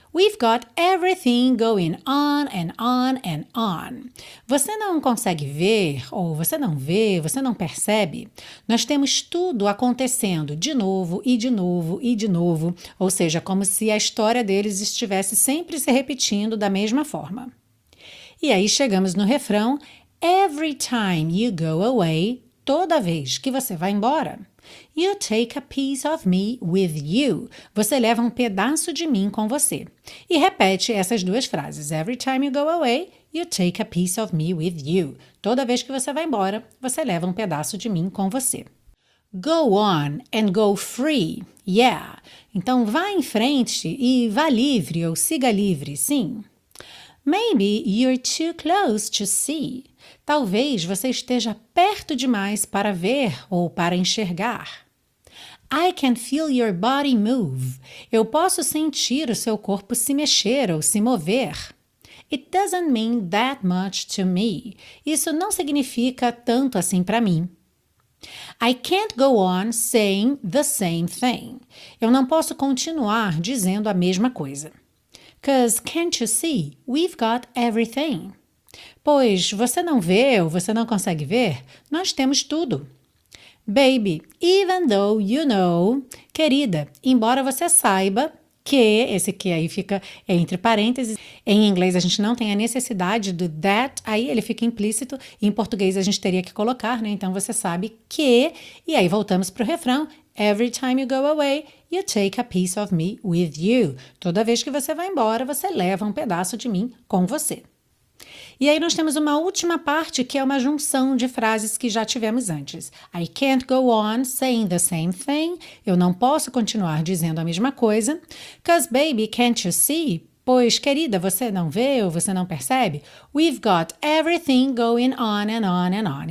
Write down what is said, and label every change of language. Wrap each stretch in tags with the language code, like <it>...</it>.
<en>We've got everything going on and on and on.</en> <pt>Você não consegue ver, ou você não vê, você não percebe? Nós temos tudo acontecendo de novo e de novo e de novo, ou seja, como se a história deles estivesse sempre se repetindo da mesma forma. E aí chegamos no refrão,</pt> <en>Every time you go away,</en> <pt>toda vez que você vai embora,</pt> <en>you take a piece of me with you.</en> <pt>Você leva um pedaço de mim com você. E repete essas duas frases.</pt> <en>Every time you go away, you take a piece of me with you.</en> <pt>Toda vez que você vai embora, você leva um pedaço de mim com você.</pt> <en>Go on and go free. Yeah.</en> <pt>Então vá em frente e vá livre ou siga livre, sim.</pt> <en>Maybe you're too close to see.</en> <pt>Talvez você esteja perto demais para ver ou para enxergar.</pt> <en>I can feel your body move.</en> <pt>Eu posso sentir o seu corpo se mexer ou se mover.</pt> <en>It doesn't mean that much to me.</en> <pt>Isso não significa tanto assim para mim.</pt> <en>I can't go on saying the same thing.</en> <pt>Eu não posso continuar dizendo a mesma coisa.</pt> <en>'Cause can't you see? We've got everything.</en> <pt>Pois, você não vê ou você não consegue ver? Nós temos tudo.</pt> <en>Baby, even though you know,</en> <pt>querida, embora você saiba que, esse que aí fica entre parênteses, em inglês a gente não tem a necessidade do that, aí ele fica implícito, e em português a gente teria que colocar, né? Então você sabe que, e aí voltamos para o refrão,</pt> <en>every time you go away, you take a piece of me with you.</en> <pt>Toda vez que você vai embora, você leva um pedaço de mim com você. E aí nós temos uma última parte que é uma junção de frases que já tivemos antes.</pt> <en>I can't go on saying the same thing.</en> <pt>Eu não posso continuar dizendo a mesma coisa.</pt> <en>'Cause baby, can't you see?</en> <pt>Pois, querida, você não vê ou você não percebe?</pt> <en>We've got everything going on and on and on.</en>